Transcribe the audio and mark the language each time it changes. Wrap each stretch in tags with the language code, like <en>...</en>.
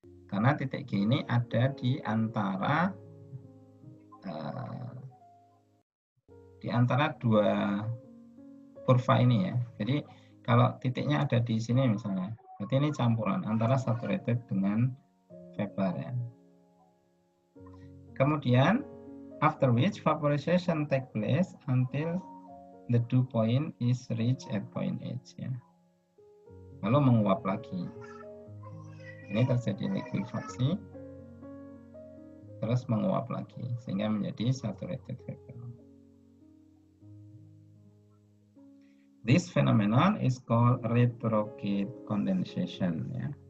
<id>Karena titik G ini ada di antara dua kurva ini ya. Jadi kalau titiknya ada di sini misalnya, berarti ini campuran antara saturated dengan vapor ya.</id> <en>Kemudian after which vaporization take place until the dew point is reached at point H ya.</en> <id>Lalu menguap lagi. Ini terjadi likuifaksi. Terus menguap lagi sehingga menjadi saturated vapor.</id> <en>This phenomenon is called retrograde condensation. Ya.</en>